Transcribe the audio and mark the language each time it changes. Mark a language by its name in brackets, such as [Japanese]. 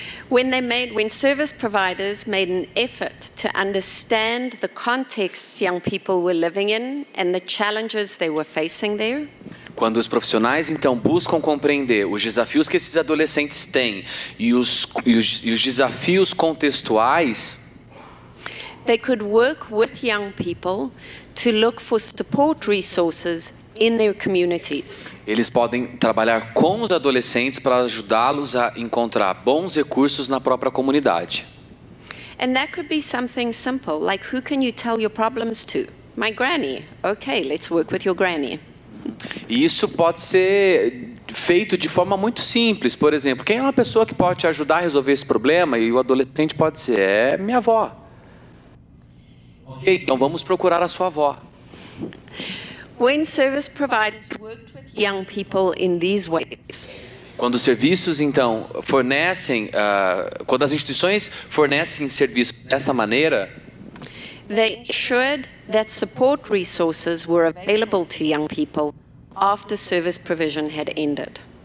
[English] When service providers made an effort to understand the contexts young people were living in and the challenges they were facing there. [Portuguese] Quando os profissionais então buscam compreender os desafios que esses adolescentes têm e os desafios contextuais. [English] They could work with young people to look for support resources in their communities. [Portuguese] Eles podem trabalhar com os adolescentes para ajudá-los a encontrar bons recursos na própria comunidade. [English] And that could be something simple, like who can you tell your problems to? My granny. Okay, let's work with your granny. [Portuguese] E isso pode ser feito de forma muito simples. Por exemplo, quem é uma pessoa que pode te ajudar a resolver esse problema? E o adolescente pode ser, é minha avó. Okay, então vamos procurar a sua avó. [English] When service providers worked with young people in these ways. [Portuguese] Quando os serviços então fornecem, quando as instituições fornecem serviços dessa maneira, [English] they ensured that support resources were available to young people after service provision had ended.